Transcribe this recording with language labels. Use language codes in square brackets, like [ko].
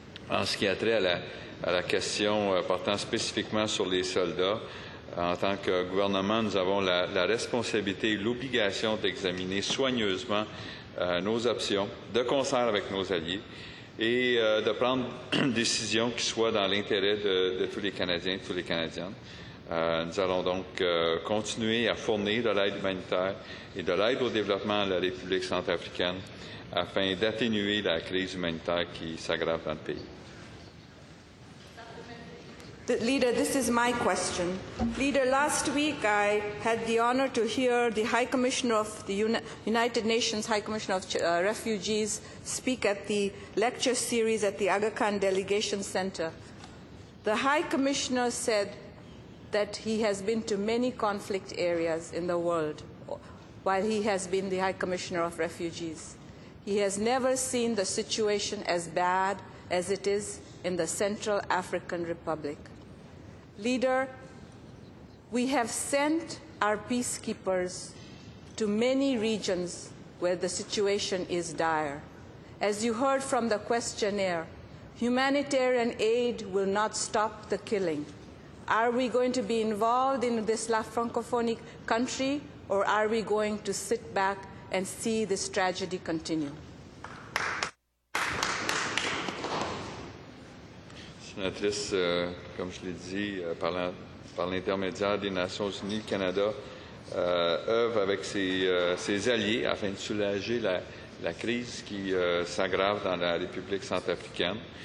[fr] En ce qui a trait à la question portant spécifiquement sur les soldats, en tant que gouvernement, nous avons la responsabilité et l'obligation d'examiner soigneusement nos options, de concert avec nos alliés, et de prendre une décision qui soit dans l'intérêt de tous les Canadiens et de toutes les Canadiennes. Nous allons donc continuer à fournir de l'aide humanitaire et de l'aide au développement à la République centrafricaine afin d'atténuer la crise humanitaire qui s'aggrave dans le pays. [en] Leader, this is my question. Leader, last week I had the honor to hear the High Commissioner of the United Nations High Commissioner of Refugees speak at the lecture series at the Aga Khan Delegation Center. The High Commissioner said that he has been to many conflict areas in the world while he has been the High Commissioner of Refugees. He has never seen the situation as bad as it is in the Central African Republic. Leader, we have sent our peacekeepers to many regions where the situation is dire. As you heard from the questionnaire, humanitarian aid will not stop the killing. Are we going to be involved in this La Francophonie country, or are we going to sit back and see this tragedy continue? [fr] Sénatrice, comme je l'ai dit, par l'intermédiaire des Nations Unies, le Canada œuvre avec ses alliés afin de soulager la crise qui s'aggrave dans la République centrafricaine.